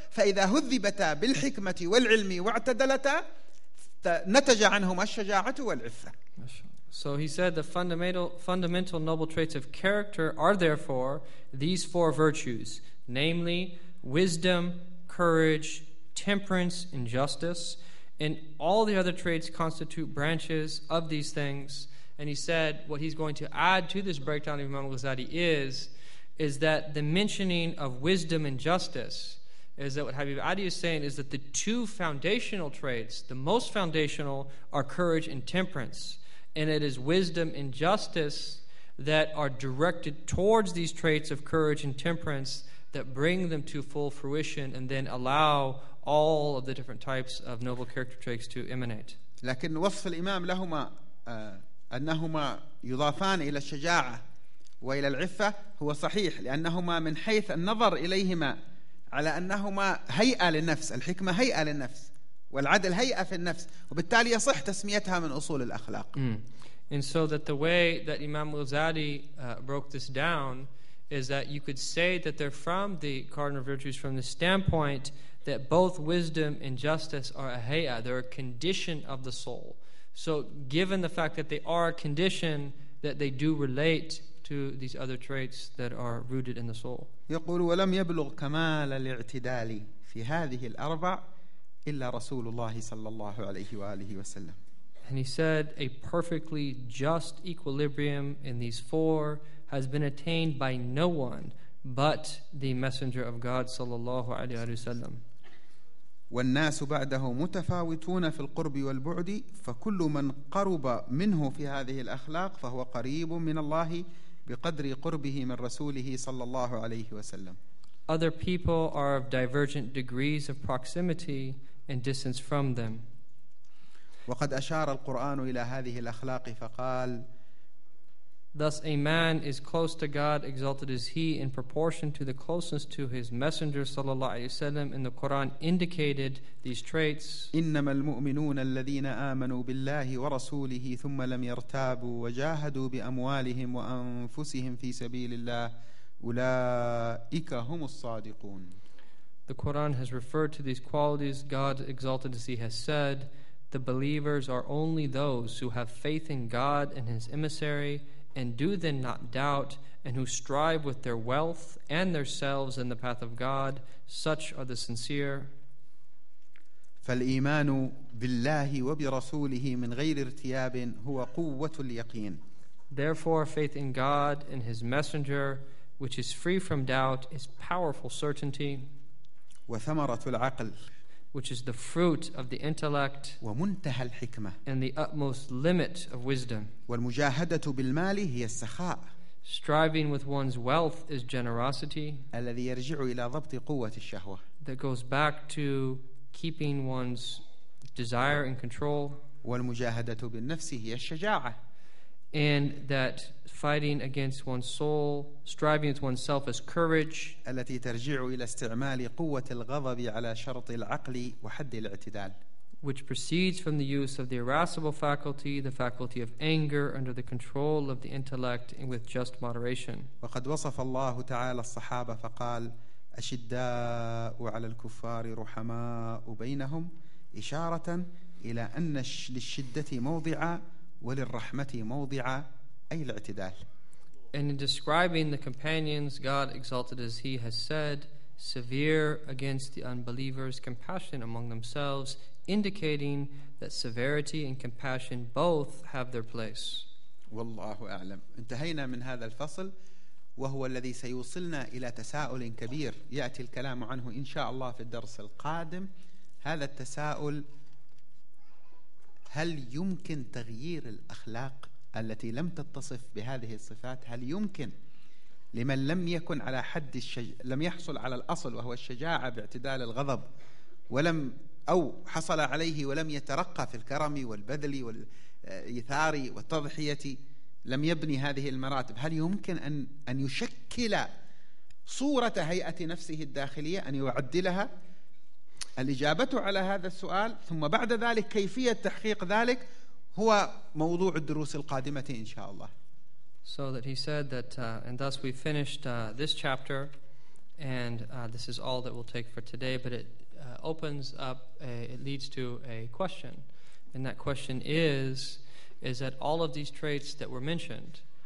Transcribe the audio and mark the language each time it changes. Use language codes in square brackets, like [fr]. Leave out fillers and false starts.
[ar] فإذا هذبتا بالحكمة والعلم واعتدلتا نتج عنهما الشجاعة والعفة. [en] So he said the fundamental noble traits of character are therefore these four virtues, namely wisdom, courage, temperance, and justice, and all the other traits constitute branches of these things. And he said what he's going to add to this breakdown of Imam Ghazali is that the mentioning of wisdom and justice is that what Habib Adi is saying is that the two foundational traits, the most foundational, are courage and temperance. And it is wisdom and justice that are directed towards these traits of courage and temperance that bring them to full fruition and then allow all of the different types of noble character traits to emanate. [ar] لكن وصف الإمام لهما أنهما يضافان إلى الشجاعة وإلى العفة هو صحيح لأنهما من حيث النظر إليهما على أنهما هيئة للنفس الحكمة هيئة للنفس والعدل هيئة في النفس وبالتالي يصح تسميتها من أصول الأخلاق. [en] And so that the way that Imam Ghazali broke this down is that you could say that they're from the cardinal virtues from the standpoint that both wisdom and justice are a hayya, they're a condition of the soul. So given the fact that they are a condition, that they do relate to these other traits that are rooted in the soul. [ar] يقول ولم يبلغ كمال الاعتدال في هذه الأربع إلا رسول الله صلى الله عليه وآله وسلم. [en] And he said a perfectly just equilibrium in these four has been attained by no one but the messenger of God [ar] صلى الله عليه وسلم. والناس بعده متفاوتون في القرب والبعد فكل من قرب منه في هذه الأخلاق فهو قريب من الله بقدر قربه من رسوله صلى الله عليه وسلم. [en] Other people are of divergent degrees of proximity and distance from them. [ar] وقد أشار القرآن إلى هذه الأخلاق فقال [en] Thus a man is close to God, exalted is he in proportion to the closeness to his messenger [ar] صلى الله عليه وسلم. [en] And the Quran indicated these traits. [ar] إنما المؤمنون الذين آمنوا بالله ورسوله ثم لم يرتابوا وجاهدوا بأموالهم وأنفسهم في سبيل الله أولئك هم الصادقون. [en] The Quran has referred to these qualities. God, exalted is he, has said, the believers are only those who have faith in God and his emissary and do then not doubt, and who strive with their wealth and themselves in the path of God, such are the sincere. [ar] فالإيمان بالله وبرسوله من غير ارتياب هو قوة اليقين. [en] Therefore, faith in God and His Messenger, which is free from doubt, is powerful certainty. [ar] وثمرة العقل. [en] Which is the fruit of the intellect. [ar] ومنتهى الحكمة. [en] And the utmost limit of wisdom. [ar] والمجاهدة بالمال هي السخاء. [en] Striving with one's wealth is generosity. [ar] الذي يرجع إلى ضبط قوة الشهوة. [en] That goes back to keeping one's desire in control. [ar] والمجاهدة بالنفس هي الشجاعة. [en] And that fighting against one's soul, striving with oneself, is courage. [ar] التي ترجع إلى استعمال قوة الغضب على شرط العقل وحد الاعتدال. [en] Which proceeds from the use of the irascible faculty, the faculty of anger, under the control of the intellect and with just moderation. [ar] وقد وصف الله تعالى الصحابة فقال أشداء على الكفار رحماء بينهم إشارة إلى أن للشدة موضعا وللرحمة موضعا أي الاعتدال. [en] And in describing the companions, God exalted as He has said, severe against the unbelievers, compassion among themselves, indicating that severity and compassion both have their place. [ar] والله أعلم. انتهينا من هذا الفصل وهو الذي سيوصلنا إلى تساؤل كبير يأتي الكلام عنه إن شاء الله في الدرس القادم. هذا التساؤل: هل يمكن تغيير الأخلاق التي لم تتصف بهذه الصفات؟ هل يمكن لمن لم يكن على حد لم يحصل على الأصل وهو الشجاعة باعتدال الغضب ولم أو حصل عليه ولم يترقى في الكرم والبذل والإيثار والتضحية لم يبني هذه المراتب، هل يمكن أن يشكل صورة هيئة نفسه الداخلية أن يعدلها؟ الإجابة على هذا السؤال ثم بعد ذلك كيفية تحقيق ذلك هو موضوع الدروس القادمة إن شاء الله. [en] So that he said that and thus we finished this chapter and this is all that we'll take for today, but it opens up it leads to a question, and that question is that all of these traits that were mentioned